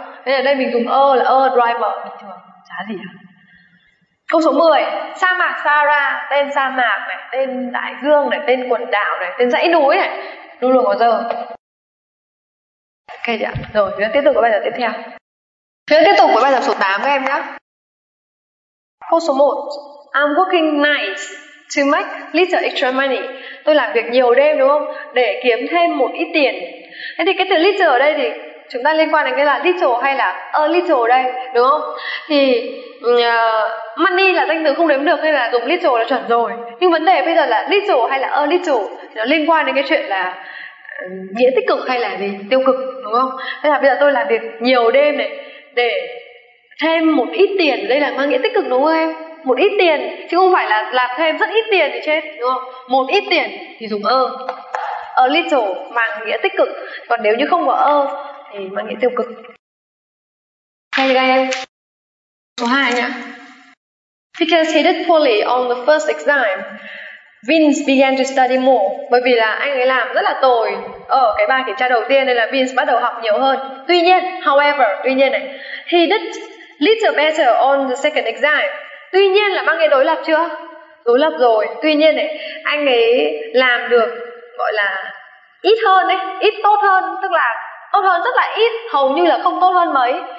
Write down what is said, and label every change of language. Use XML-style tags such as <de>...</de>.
<vi>Thế nên ở đây mình dùng a là a driver bình thường, chả gì hả? Câu số 10, sa mạc Sahara, tên sa mạc này, tên đại dương này, tên quần đảo này, tên dãy núi này, luôn luôn có giờ. Ok chưa? Rồi, chúng ta tiếp tục với bài tập tiếp theo. Chúng ta tiếp tục với bài tập số 8 các em nhé. Câu số 1,</vi> <en>I'm working nights to make little extra money.</en> <vi>Tôi làm việc nhiều đêm đúng không? Để kiếm thêm một ít tiền. Thế thì cái từ little ở đây thì chúng ta liên quan đến cái là little hay là a little đây, đúng không? Thì money là danh từ không đếm được hay là dùng little là chuẩn rồi. Nhưng vấn đề bây giờ là little hay là a little thì nó liên quan đến cái chuyện là nghĩa tích cực hay là gì tiêu cực, đúng không? Thế là bây giờ tôi làm việc nhiều đêm này để thêm một ít tiền, đây là mang nghĩa tích cực đúng không em? Một ít tiền chứ không phải là làm thêm rất ít tiền thì chết, đúng không? Một ít tiền thì dùng ơ. A little mang nghĩa tích cực, còn nếu như không có ơ thì mang nghĩa tiêu cực. Hay các em. Số 2 nhá.</vi> <en>Because he did poorly on the first exam, Vince began to study more.</en> <vi>Bởi vì là anh ấy làm rất là tồi ở cái bài kiểm tra đầu tiên nên là Vince bắt đầu học nhiều hơn. Tuy nhiên, however, tuy nhiên này,</vi> <en>he did little better on the second exam.</en> <vi>Tuy nhiên là mang cái đối lập chưa? Đối lập rồi. Tuy nhiên ấy, anh ấy làm được gọi là ít hơn ấy, ít tốt hơn, tức là tốt hơn rất là ít, hầu như là không tốt hơn mấy.</vi>